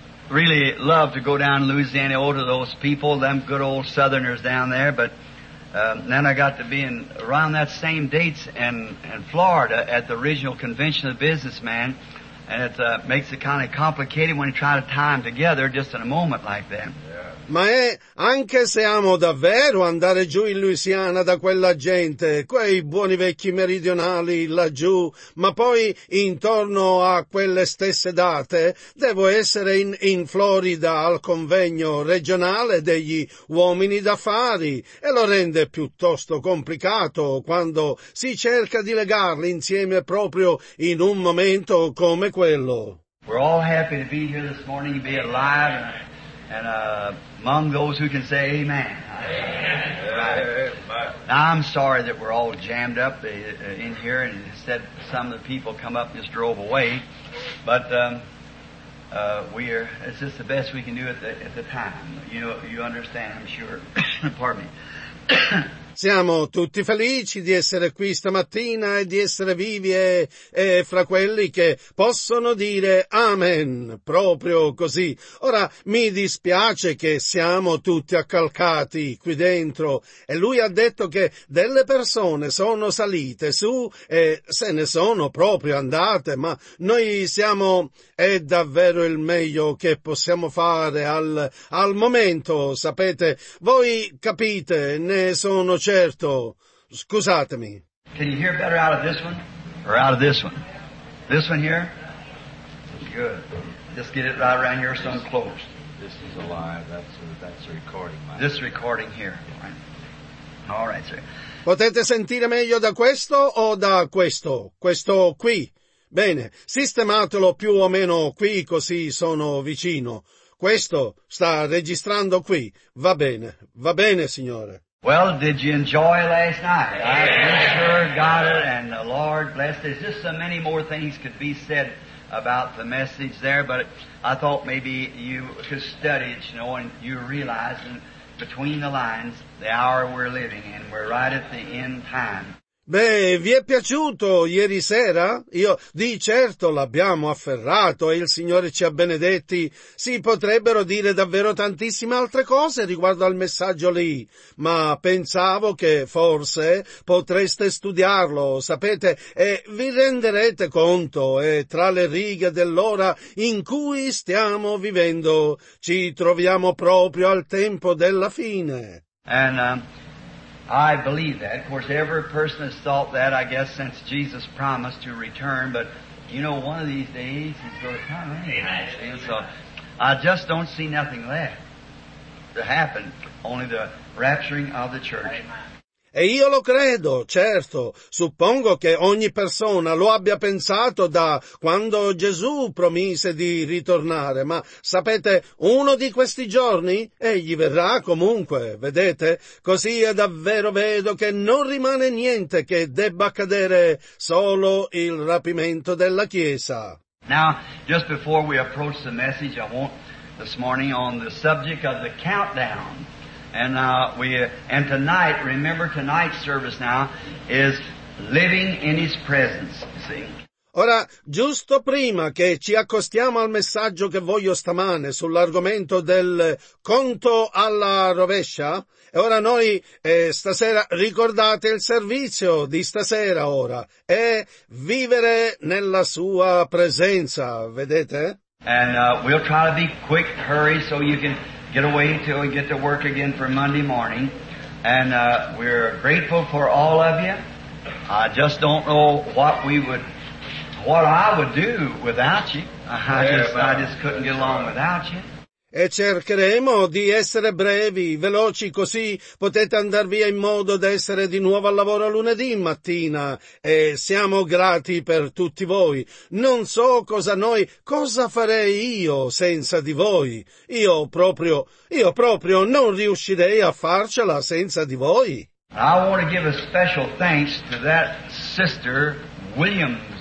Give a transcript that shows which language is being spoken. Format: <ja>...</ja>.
<en>Really love to go down to Louisiana, all to those people, them good old Southerners down there. But then I got to be in around that same dates in Florida at the original convention of the businessman, and it makes it kind of complicated when you try to tie them together just in a moment like that.</en> <it>Ma è anche se amo davvero andare giù in Louisiana da quella gente, quei buoni vecchi meridionali laggiù, ma poi intorno a quelle stesse date devo essere in Florida al convegno regionale degli uomini d'affari e lo rende piuttosto complicato quando si cerca di legarli insieme proprio in un momento come quello.</it> <en>We're all happy to be here this morning, be alive. And among those who can say amen. Right. Now, I'm sorry that we're all jammed up in here and instead some of the people come up and just drove away. But it's just the best we can do at the time. You understand, I'm sure. Pardon me.</en> <it>Siamo tutti felici di essere qui stamattina e di essere vivi e fra quelli che possono dire amen, proprio così. Ora, mi dispiace che siamo tutti accalcati qui dentro e lui ha detto che delle persone sono salite su e se ne sono proprio andate, ma noi siamo, è davvero il meglio che possiamo fare al momento, sapete, voi capite, ne sono certo, scusatemi.</it> <en>Can you hear better out of this one? Or out of this one? This one here? Good. Just get it right around here so I'm close. This is alive. That's a recording. This recording here. Right. All right, sir.</en> <it>Potete sentire meglio da questo o da questo? Questo qui. Bene, sistematelo più o meno qui così sono vicino. Questo sta registrando qui. Va bene, signore.</it> <en>Well, did you enjoy last night? Yeah. I sure got it, and the Lord blessed it. Just so many more things could be said about the message there, but I thought maybe you could study it, you know, and you realize, and between the lines, the hour we're living in, we're right at the end time.</en> <it>Beh, vi è piaciuto ieri sera? Io di certo l'abbiamo afferrato e il Signore ci ha benedetti. Si potrebbero dire davvero tantissime altre cose riguardo al messaggio lì, ma pensavo che forse potreste studiarlo, sapete, e vi renderete conto e tra le righe dell'ora in cui stiamo vivendo ci troviamo proprio al tempo della fine.</it> <en>I believe that. Of course, every person has thought that, I guess, since Jesus promised to return. But, you know, one of these days, he's going to come. Amen. So, I just don't see nothing left to happen, only the rapturing of the church. Amen.</en> <it>E io lo credo, certo. Suppongo che ogni persona lo abbia pensato da quando Gesù promise di ritornare, ma sapete, uno di questi giorni egli verrà comunque, vedete? Così è davvero vedo che non rimane niente che debba accadere, solo il rapimento della Chiesa.</it> <en>Now, just before we approach the message, I want this morning on the subject of the countdown. And tonight, remember tonight's service now is living in His presence, see.</en> <it>Ora, giusto prima che ci accostiamo al messaggio che voglio stamane sull'argomento del conto alla rovescia, e ora noi stasera ricordate il servizio di stasera ora, è vivere nella Sua presenza, vedete?</it> <en>And we'll try to be quick, hurry, so you can get away till we get to work again for Monday morning. And we're grateful for all of you. I just don't know what I would do without you. I just couldn't get along without you.</en> <it>E cercheremo di essere brevi, veloci, così potete andar via in modo da essere di nuovo al lavoro lunedì mattina. E siamo grati per tutti voi. Non so cosa farei io senza di voi. Io proprio non riuscirei a farcela senza di voi.</it> <en>I want to give a special thanks to that sister Williams.</en>